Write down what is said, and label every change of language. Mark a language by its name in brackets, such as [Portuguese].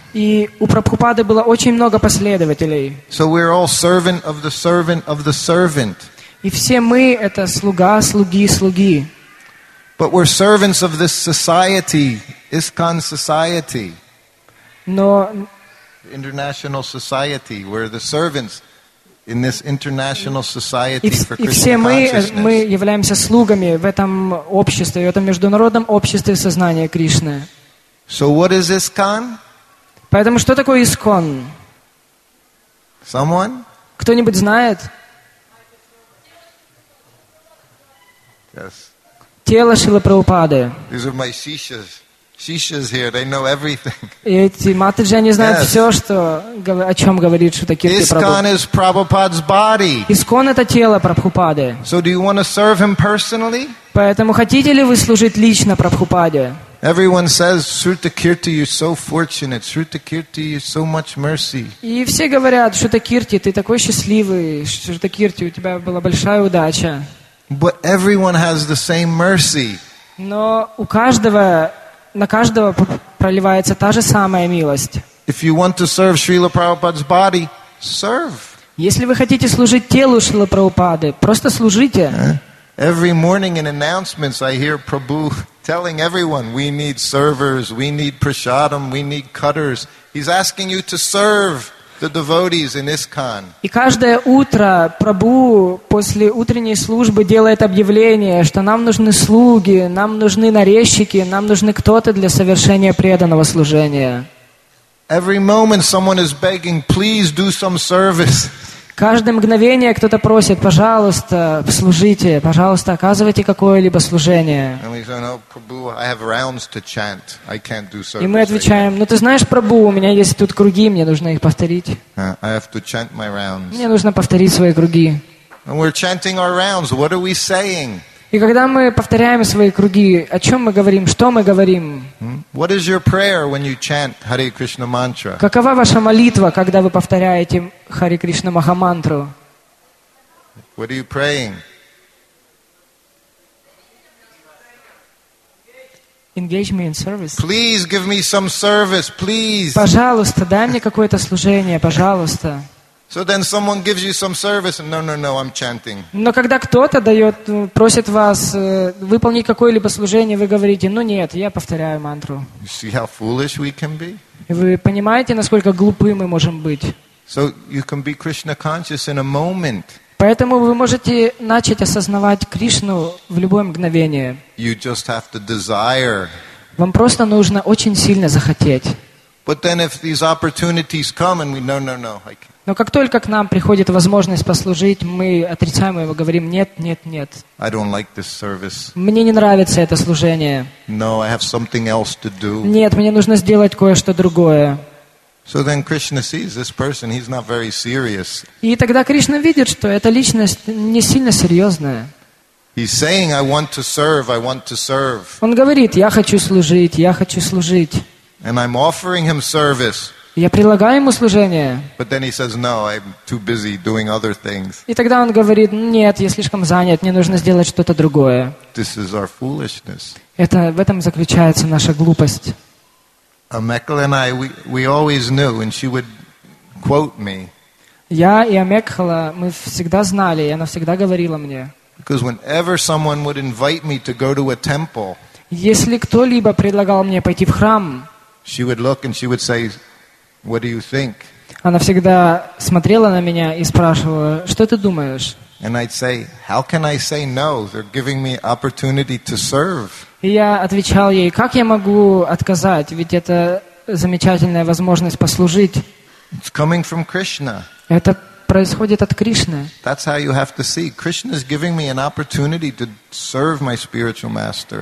[Russian] И у Прабхупады было очень много последователей. [English] So we're all servant of the servant of the servant. [Russian] И все мы — это слуга, слуги, слуги. [English] But we're servants of this society, ISKCON society. [Russian] Но [English] international society, we're the servants in this international society for Krishna consciousness. [Russian] И все мы являемся слугами в этом обществе, в этом международном обществе сознания Кришны. [English] So what is ISKCON? [Russian] Поэтому что такое ISKCON? [English] Someone? [Russian] Кто-нибудь знает? [English] Yes. [Russian] Тело Шрилы Прабхупады. [English] These are my shishas. Shishas here, they know everything. [Russian] И эти матаджи, они знают все, что, о чем говорит Шрила Кирти [English] Прабху. ISKCON is Prabhupada's body. [Russian] ISKCON — это тело Прабхупады. [English] So do you want to serve him personally? [Russian] Поэтому хотите ли вы служить лично Прабхупаде? [English] Everyone says, Shruta Kirti, you're so fortunate. Shruta Kirti, you're so much mercy. [Russian] И все говорят, Шрита Кирти, ты такой счастливый. Шрита Кирти, у тебя была большая удача. [English] But everyone has the same mercy. [Russian] Но у каждого, на каждого проливается та же самая милость. [English] If you want to serve Srila Prabhupada's body, serve. [Russian] Если вы хотите служить телу Шрилы Прабхупады, просто служите. [English] Every morning in announcements I hear Prabhu telling everyone, we need servers, we need prasadam, we need cutters. He's asking you to serve the devotees in ISKCON. [Russian] И каждое утро Прабху после утренней службы делает объявление, что нам нужны слуги, нам нужны нарезчики, нам нужны кто-то для совершения преданного служения. [English] Every moment someone is begging, please do some service. [Russian] Каждое мгновение кто-то просит, пожалуйста, служите, пожалуйста, оказывайте какое-либо служение. И мы отвечаем, ну ты знаешь, Прабху, у меня есть тут круги, мне нужно их повторить. Мне нужно повторить свои круги. И когда мы повторяем свои круги, о чем мы говорим, что мы говорим? Какова ваша молитва, когда вы повторяете Хари Кришна Махамантру? [English] What are you praying? Engage me in service. Please give me some service, please. [Russian] Пожалуйста, дай мне какое-то служение, пожалуйста. [English] So then someone gives you some service, and no, I'm chanting. [Russian] Но когда кто-то дает, просит вас выполнить какое-либо служение, вы говорите, ну нет, я повторяю мантру. [English] You see how foolish we can be? [Russian] Вы понимаете, насколько глупы мы можем быть? [English] So you can be Krishna conscious in a moment. [Russian] Поэтому вы можете начать осознавать Кришну в любое мгновение. [English] You just have to desire. [Russian] Вам просто нужно очень сильно захотеть. [English] But then if these opportunities come and we no, I can't. [Russian] Но как только к нам приходит возможность послужить, мы отрицаем его, говорим нет. [English] I don't like this service. [Russian] Мне не нравится это служение. [English] No, I have something else to do. [Russian] Нет, мне нужно сделать кое-что другое. [English] So then Krishna sees this person, he's not very serious. [Russian] И тогда Кришна видит, что эта личность не сильно серьезная. [English] He's saying, I want to serve, I want to serve. [Russian] Он говорит, я хочу служить, я хочу служить. [English] And I'm offering him service. [Russian] Я предлагаю ему служение. [English] But then he says, no, I'm too busy doing other things. [Russian] И тогда он говорит, нет, я слишком занят, мне нужно сделать что-то другое. [English] This is our foolishness. [Russian] Это, в этом заключается наша глупость. [English] Амекхал and I, we always knew, and she would quote me. [Russian] Я и Амекхала, мы всегда знали, и она всегда говорила мне. [English] Because whenever someone would invite me to go to a temple, [Russian] если кто-либо предлагал мне пойти в храм, [English] she would look and she would say, "What do you think?" [Russian] Она всегда смотрела на меня и спрашивала, что ты думаешь? [English] And I'd say, "How can I say no? They're giving me opportunity to serve." [Russian] И я отвечал ей, как я могу отказать? Ведь это замечательная возможность послужить. [English] It's coming from Krishna. [Russian] Это происходит от Кришны. [English] That's how you have to see. Krishna is giving me an opportunity to serve my spiritual master.